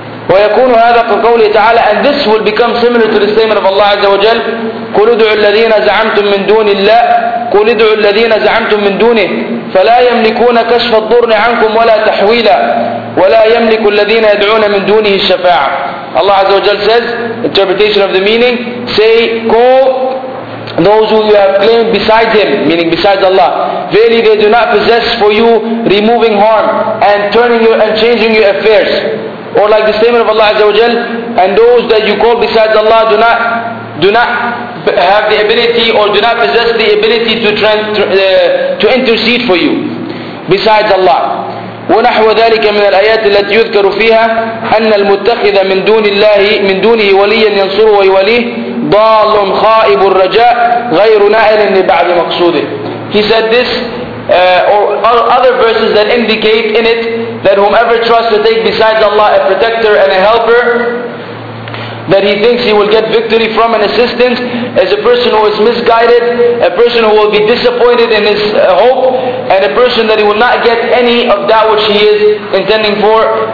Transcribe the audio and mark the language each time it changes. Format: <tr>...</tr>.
<ar>ويكون هذا كقوله تعالى,</ar> <en>and this will become similar to the statement of Allah</en> <ar>عز وجل, قل ادعوا الذين زعمتم من دون الله قل ادعوا الذين زعمتم من دونه فلا يملكون كشف الضر عنكم ولا تحويلا ولا يملك الذين يدعون من دونه الشفاعة.</ar> <en>Allah عز وجل says, interpretation of the meaning, say, call those who you have claimed beside him, meaning besides Allah, verily they do not possess for you removing harm and turning you and changing your affairs. Or like the statement of Allah Azza wa Jal, and those that you call besides Allah do not have the ability, or do not possess the ability to intercede for you besides Allah.</en> <ar>ونحو ذلك من الآيات التي يذكر فيها أن المتخذ من دون الله من دونه وليا ينصره ويوليه ضال خائب الرجاء غير نائل لبعض مقصوده.</ar> <en>He said this, or other verses that indicate in it that whomever trusts to take besides Allah a protector and a helper that he thinks he will get victory from an assistant is a person who is misguided, a person who will be disappointed in his hope, and a person that he will not get any of that which he is intending for.</en>